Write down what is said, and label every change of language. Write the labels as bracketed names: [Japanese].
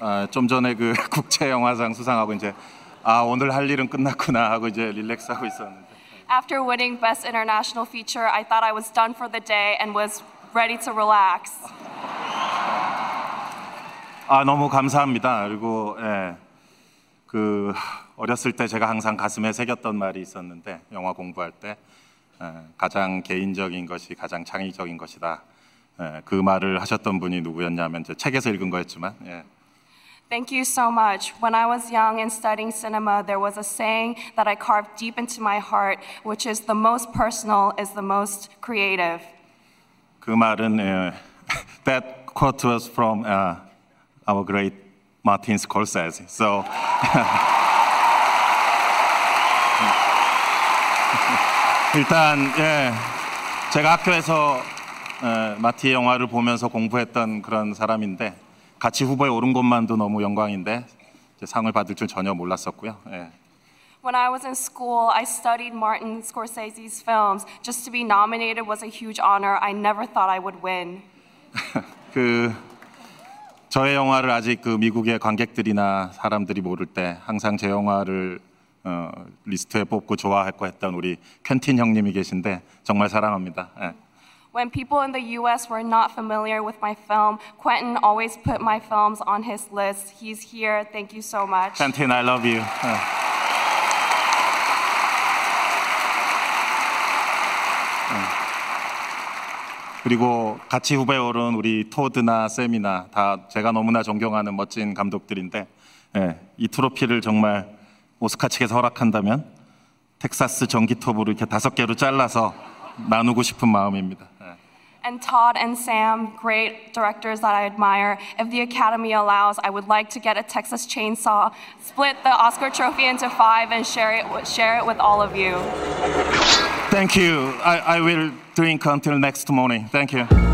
[Korean] 좀 전에 그 국제 영화상 수상하고 이제 아 오늘 할 일은 끝났구나 하고 이제 릴렉스하고 있었는데. [English] After winning Best International Feature, I thought I was done for the day and was ready to relax. [Korean] 아 너무 감사합니다. 그리고 예, 그 어렸을 때 제가 항상 가슴에 새겼던 말이 있었는데 영화 공부할 때 예, 가장 개인적인 것이 가장 창의적인 것이다. 예, 그 말을 하셨던 분이 누구였냐면 책에서 읽은 거였지만. 예. [English] Thank you so much. When I was young and studying cinema, there was a saying that I carved deep into my heart, which is the most personal is the most creative. [Korean] 그 말은 [English] that quote was from our great Martin Scorsese. So. [Korean] (웃음) 일단 예, 제가 학교에서 마티의 영화를 보면서 공부했던 그런 사람인데 같이 후보에 오른 것만도 너무 영광인데 이제 상을 받을 줄 전혀 몰랐었고요. 예. [English] When I was in school, I studied Martin Scorsese's films. Just to be nominated was a huge honor. I never thought I would win. [Korean] 그 저의 영화를 아직 그 미국의 관객들이나 사람들이 모를 때 항상 제 영화를 리스트에 뽑고 좋아했고 했던 우리 켄틴 형님이 계신데 정말 사랑합니다. 예. [English] When people in the U.S. were not familiar with my film, Quentin always put my films on his list. He's here. Thank you so much. Quentin, I love you. Yeah. Yeah. [Korean] 그리고 같이 후배 오른 우리 토드나 샘이나 다 제가 너무나 존경하는 멋진 감독들인데 예, 이 트로피를 정말 오스카 측에서 허락한다면 텍사스 전기톱으로 이렇게 다섯 개로 잘라서 나누고 싶은 마음입니다. [English] And Todd and Sam, great directors that I admire. If the Academy allows, I would like to get a Texas chainsaw, split the Oscar trophy into five, and share it with all of you. Thank you. I will drink until next morning. Thank you.